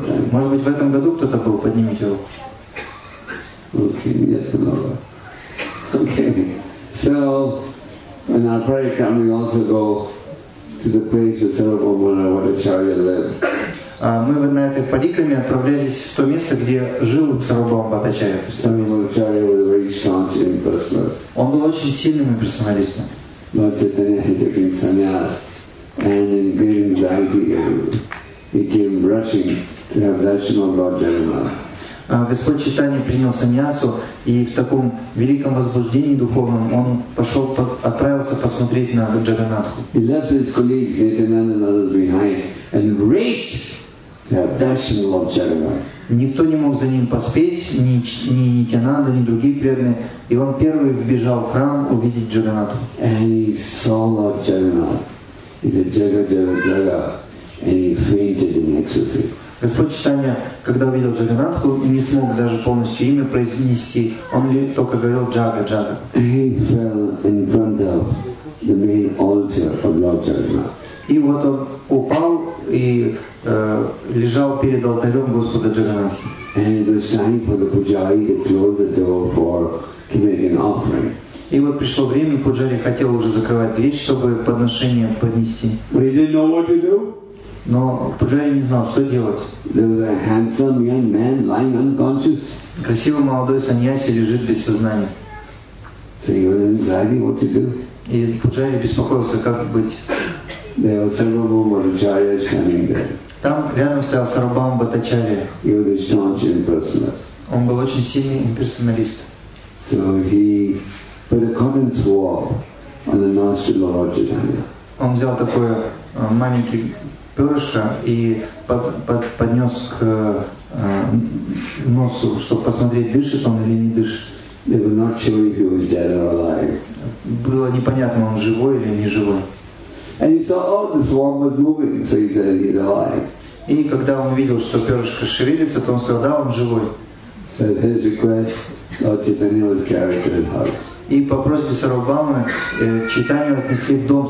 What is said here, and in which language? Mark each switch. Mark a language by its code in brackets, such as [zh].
[ru] Может быть, в этом году кто-то был, поднимите его. [en] Okay. So, in our Parikram, we also go to the place where Sarvabhaumacharya lived. [ru] Мы на этой Парикраме отправлялись в то место, где жил Сарвабхаумачарья. [en] Sarvabhaumacharya was a very staunch impersonalist. [ru] Он был очень сильным имперсоналистом. [en] Lord Chaitanya had taken sannyas. And in great anxiety, he came rushing to have darshan of Lord Jagannath. [ru] Господь Чайтанья принял саньясу, и в таком великом возбуждении духовном он пошел, отправился посмотреть на Джаганатху. [en] He left his colleagues, Nityananda and others behind, and raced to have darshan of Lord Jagannath. [ru] Никто не мог за ним поспеть, ни Нитянанда, ни другие преданные. И он первый вбежал в храм увидеть Джаганатху. [en] And he saw Lord Jagannath. He said, Jaga, Jaga, Jaga, and he fainted in ecstasy. [ru] Господь Чайтанья, когда увидел Джаганатху, не смог даже полностью имя произнести. Он только говорил Джага, Джага. [en] He fell in front of the main altar of Lord Jagannath. [ru] И вот он упал и лежал перед алтарем Господа Джаганатхи. [en] And it was time for the pujari to close the door for to make an offering. [ru] И вот пришло время, пуджари хотел уже закрывать дверь, чтобы подношение поднести. [en] But he didn't know what to do. [ru] Но пуджари не знал, что делать. [en] There was a handsome young man lying unconscious. [ru] Красивый молодой саньяси лежит без сознания. [en] So he was anxiety, what to do? [ru] И пуджари беспокоился, как быть. [en] There was Sarvabhaumacharya standing there. [ru] Там рядом стоял Сарвабхаумачарья. [en] He was a staunch impersonalist. [ru] Он был очень сильный имперсоналист. [en] So he put a cotton swab on the nostril of Lord Chaitanya. [ru] Он взял такое маленький перышко и поднес к носу, чтобы посмотреть, дышит он или не дышит. [en] They were not sure if he was dead or alive. [ru] Было непонятно, он живой или не живой. [en] And he saw, oh, the swab was moving, so he said he's alive. [ru] И когда он увидел, что перышко шевелится, то он сказал, да, он живой. [en] So at his request, Lord Chaitanya was carried to his house. [ru] И по просьбе Сарвабхаумы Чайтанью отнесли в дом